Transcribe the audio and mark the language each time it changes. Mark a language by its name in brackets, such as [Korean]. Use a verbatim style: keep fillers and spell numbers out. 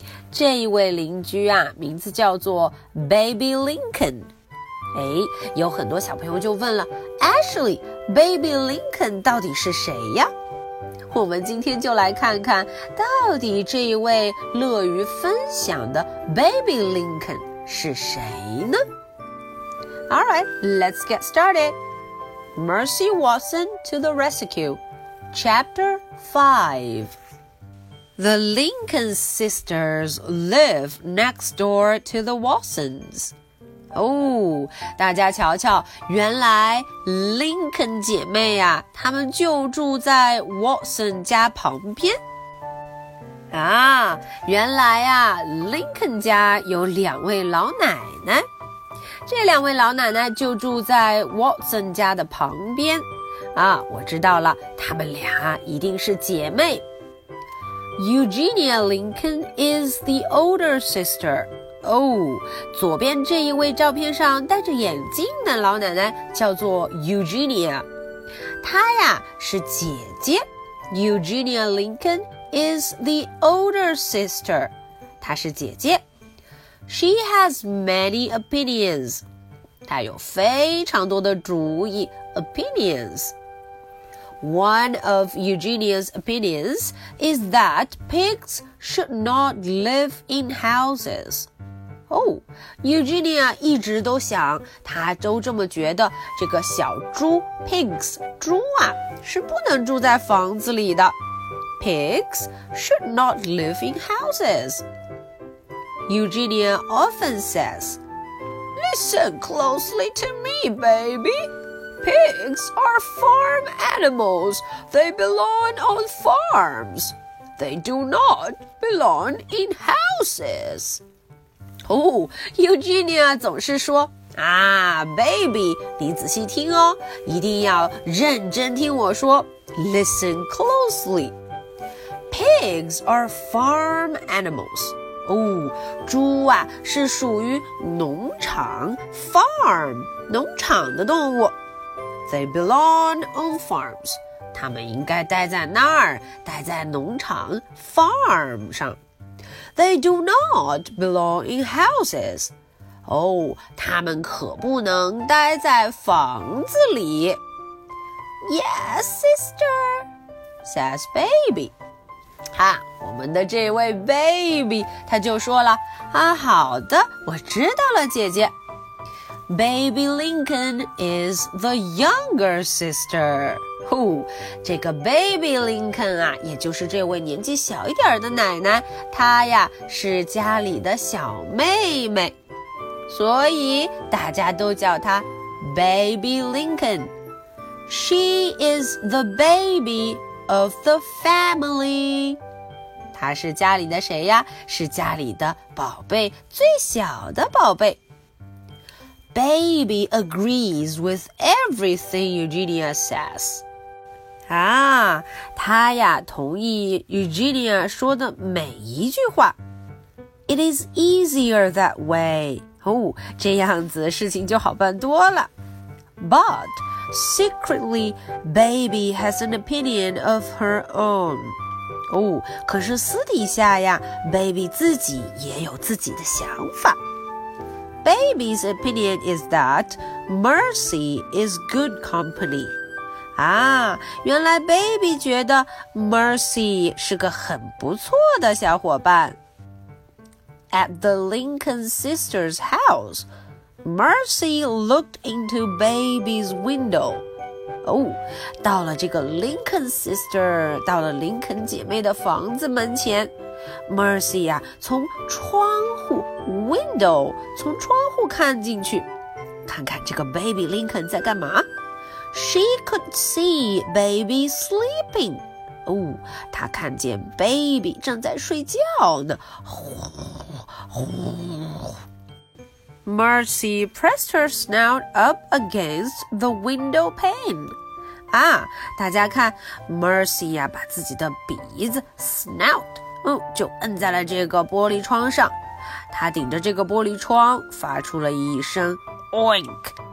[Chinese] 这一位邻居啊，名字叫做 Baby Lincoln。哎，有很多小朋友就问了 Ashley, Baby Lincoln 到底是谁呀？我们今天就来看看到底这一位乐于分享的 Baby Lincoln是谁呢？ [English] All right, let's get started. Mercy Watson to the Rescue, Chapter five. The Lincoln sisters live next door to the Watsons. [Chinese] 哦，大家瞧瞧，原来 Lincoln 姐妹啊，她们就住在 Watson 家旁边。啊，原来啊 Lincoln 家有两位老奶奶，这两位老奶奶就住在 Watson 家的旁边啊，我知道了，她们俩一定是姐妹。 [English] Eugenia Lincoln is the older sister. [Chinese] 哦，左边这一位照片上戴着眼镜的老奶奶叫做 Eugenia， 她呀是姐姐。 [English] Eugenia Lincoln is the older sister. [Chinese] 她是姐姐。 [English] She has many opinions. [Chinese] 她有非常多的主意 opinions. [English] One of Eugenia's opinions is that pigs should not live in houses. [Chinese] 哦， Eugenia 一直都想，她都这么觉得，这个小猪 pigs 猪啊是不能住在房子里的。 [English] Pigs should not live in houses. Eugenia often says, Listen closely to me, baby. Pigs are farm animals. They belong on farms. They do not belong in houses. [Chinese] Oh, Eugenia 总是说啊 baby, 你仔细听哦，一定要认真听我说 [English] Listen closely. Pigs are farm animals. [Chinese] 哦，猪啊是属于农场 farm 农场的动物。 [English] They belong on farms. [Chinese] 它们应该待在那儿，待在农场 farm 上。 [English] They do not belong in houses. [Chinese] 哦，它们可不能待在房子里。 [English] Yes, sister, says baby. [Chinese] 啊，我们的这位 baby 他就说了啊，好的，我知道了，姐姐。 [English] Baby Lincoln is the younger sister. [Chinese] 哦，这个 baby Lincoln 啊，也就是这位年纪小一点的奶奶，她呀是家里的小妹妹，所以大家都叫她 baby Lincoln. [English] She is the baby. Of the family. [Chinese] 她是家里的谁呀？是家里的宝贝，最小的宝贝。 [English] Baby agrees with everything Eugenia says. [Chinese] 啊，她呀同意 Eugenia 说的每一句话。 [English] It is easier that way. [Chinese] 哦，这样子事情就好办多了。 [English] But... Secretly, baby has an opinion of her own. [Chinese] 哦，可是私底下呀 ，baby 自己也有自己的想法。 [English] Baby's opinion is that Mercy is good company. [Chinese] 啊，原来 baby 觉得 Mercy 是个很不错的小伙伴。 [English] At the Lincoln sisters' house. Mercy looked into baby's window. [Chinese] 哦，到了这个 Lincoln sister, 到了林肯姐妹的房子门前 Mercy 啊，从窗户 window, 从窗户看进去，看看这个 baby Lincoln 在干嘛。 [English] She could see baby sleeping. [Chinese] 哦，他看见 baby 正在睡觉呢。 [English] Mercy pressed her snout up against the window pane. [Chinese] 啊，大家看 Mercy 呀、啊，把自己的鼻子 snout， 嗯，就摁在了这个玻璃窗上。他顶着这个玻璃窗发出了一声 oink.